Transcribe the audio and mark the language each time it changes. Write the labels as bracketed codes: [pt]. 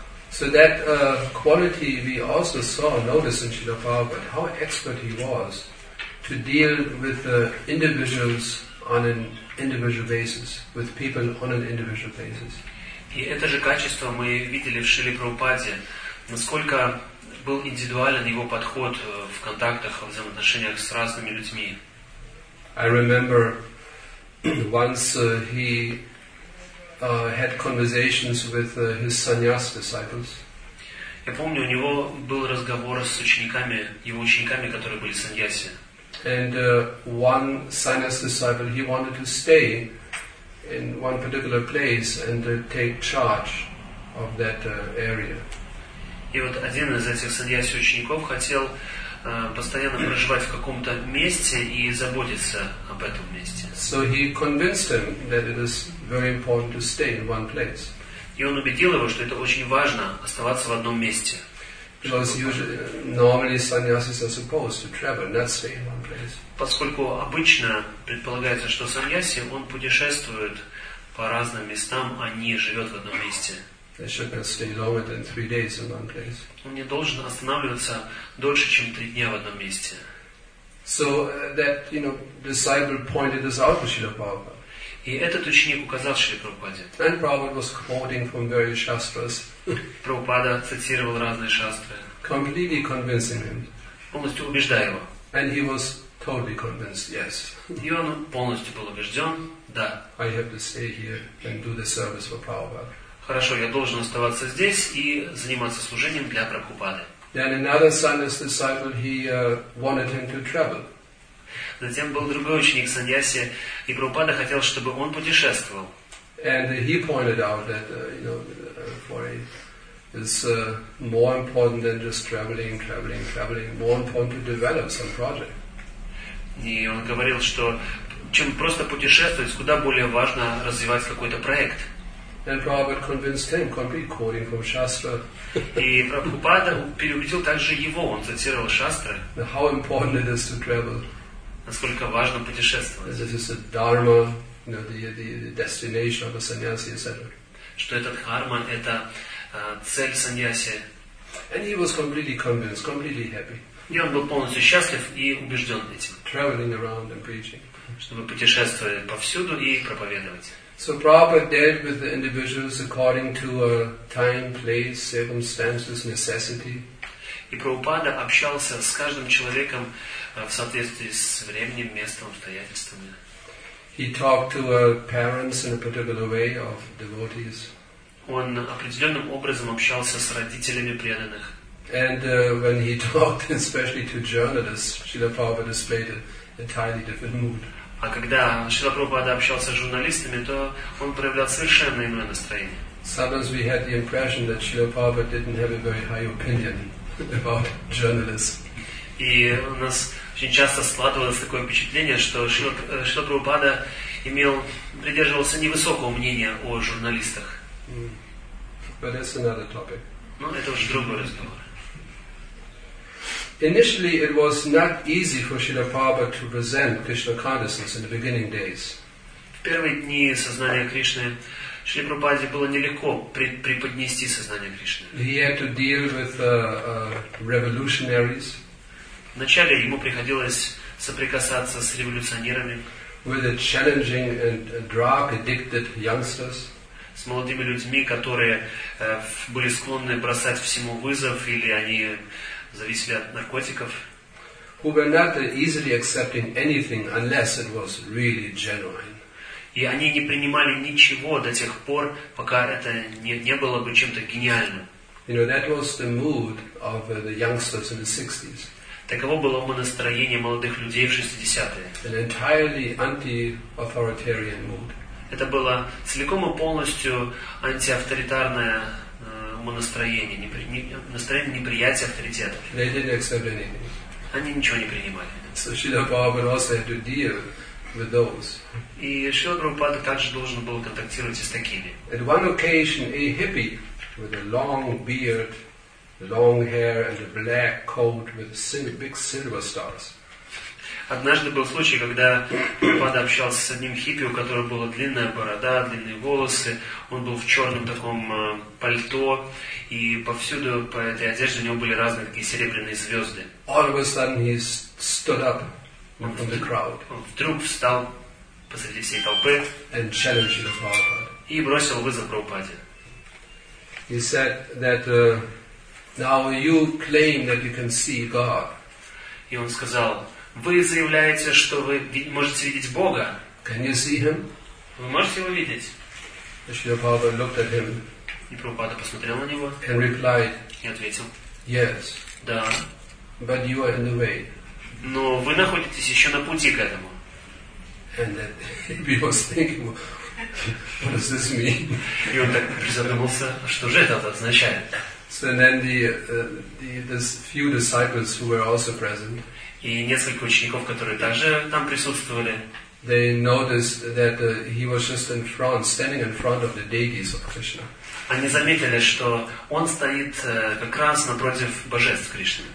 [en] So that quality we also saw, notice in Srila Prabhupada, how expert he was to deal with the individuals on an individual basis, with people on an individual basis. [ru] И это же качество мы видели в Шриле Прабхупаде, насколько был индивидуален его подход в контактах, в взаимоотношениях с разными людьми. [en] I remember once he had conversations with his sannyas disciples. [ru] Я помню, у него был разговор с учениками, его учениками, которые были саньяси. [en] And one sannyas disciple, he wanted to stay in one particular place and take charge of that area. [ru] И вот один из этих саньяси учеников хотел постоянно проживать в каком-то месте и заботиться об этом месте. [en] So he convinced him that it is very important to stay in one place. [ru] И он убедил его, что это очень важно оставаться в одном месте. [en] Because usually, normally sannyasis are supposed to travel, not stay in one place. [ru] Поскольку обычно предполагается, что саньяси, он путешествует по разным местам, а не живет в одном месте. [en] They should not stay longer than 3 days in one place. [ru] Он не должен останавливаться дольше, чем 3 дня в одном месте. [en] So that, you know, disciple pointed this out to Srila Prabhupada. [ru] И этот ученик указал Шри Прабхупаде. [en] And Prabhupada was quoting from various shastras. [ru] Прабхупада цитировал разные шастры. [en] Completely convincing him. [ru] Полностью убеждая его. [en] And he was totally convinced, yes. [ru] И он полностью был убежден, да. [en] I have to stay here and do the service for Prabhupada. [ru] Хорошо, я должен оставаться здесь и заниматься служением для Прабхупады. [en] Then another sannyas disciple, he wanted him to travel. [ru] Затем был другой ученик саньяси, и Прабхупада хотел, чтобы он путешествовал. [en] And he pointed out that, you know, for him, it's more important than just traveling, more important to develop some project. [ru] И он говорил, что чем просто путешествовать, куда более важно развивать какой-то проект. [en] And Prabhupada convinced him, completely quoting from Shastra. [ru] И Прабхупада переубедил также его, он цитировал Шастры. [en] How important it is to travel. [ru] Насколько важно путешествовать. [en] This is a dharma, you know, the destination of a sannyasi, etc. [ru] Что это дхарма, это цель саньяси. [en] And he was completely convinced, completely happy. [ru] И он был полностью счастлив и убежден этим. [en] Traveling around and preaching. [ru] Чтобы путешествовать повсюду и проповедовать. [en] So Prabhupada dealt with the individuals according to time, place, circumstances, necessity. [ru] И Прабхупада общался с каждым человеком в соответствии с временем, местом, обстоятельствами. [en] He talked to parents in a particular way of devotees. [ru] Он определенным образом общался с родителями преданных. [en] And when he talked especially to journalists, Srila Prabhupada displayed an entirely different mood. [ru] А когда Шрила Прабхупада общался с журналистами, то он проявлял совершенно иное настроение. [en] Sometimes we had the impression that Srila Prabhupada didn't have a very high opinion about journalists. [ru] И у нас очень часто складывалось такое впечатление, что Шрила Прабхупада придерживался невысокого мнения о журналистах. [en] But that's another topic. [ru] Но это уже другой разговор. [en] Initially, it was not easy for Srila Prabhupada to present Krishna consciousness in the beginning days. [ru] В первые дни сознания Кришны Шри Прабхупаде было нелегко преподнести сознание Кришны. [en] He had to deal with revolutionaries. [ru] Вначале ему приходилось соприкасаться с революционерами. [en] With the challenging and drug-addicted youngsters. [ru] С молодыми людьми, которые были склонны бросать всему вызов, или они зависели от наркотиков. [en] Who were not easily accepting anything unless it was really genuine. [ru] И они не принимали ничего до тех пор, пока это не было бы чем-то гениальным. [en] You know, that was the mood of the youngsters in the 60s. [ru] Таково было бы настроение молодых людей в 60-е. [en] An entirely anti-authoritarian mood. [ru] Это было целиком и полностью антиавторитарное настроение, настроение неприятия авторитета. [en] They didn't accept anything. [ru] Они ничего не принимали. [en] So Srila Prabhupada also had to deal with those. [ru] И Шрила Прабхупада также должен был контактировать с такими. [en] At one occasion, a hippie with a long beard, long hair, and a black coat with big silver stars. [ru] Однажды был случай, когда Прабхупада общался с одним хиппи, у которого была длинная борода, длинные волосы. Он был в черном таком пальто, и повсюду по этой одежде у него были разные такие серебряные звезды. [en] All of a sudden he stood up from the crowd. [ru] Он вдруг встал посреди всей толпы [en] and challenged the Prabhupada. [ru] И бросил вызов Прабхупаде. [en] He said that now you claim that you can see God. [ru] И он сказал: вы заявляете, что вы можете видеть Бога. [en] Can you see him? [ru] Вы можете его видеть? [en] Шрила Прабхупада looked at him. [ru] И Прабхупада посмотрел на него. [en] And replied. [ru] И ответил. [en] Yes. [ru] Да. [en] But you are in the way. [ru] Но вы находитесь еще на пути к этому. [en] And he was thinking, what does this mean? [ru] И он так призадумался, что же это означает? [en] So then the few disciples who were also present. [ru] И несколько учеников, которые также там присутствовали. [en] They noticed that he was just in front, standing in front of the deities of Krishna. [ru] Они заметили, что он стоит как раз напротив божеств Кришны.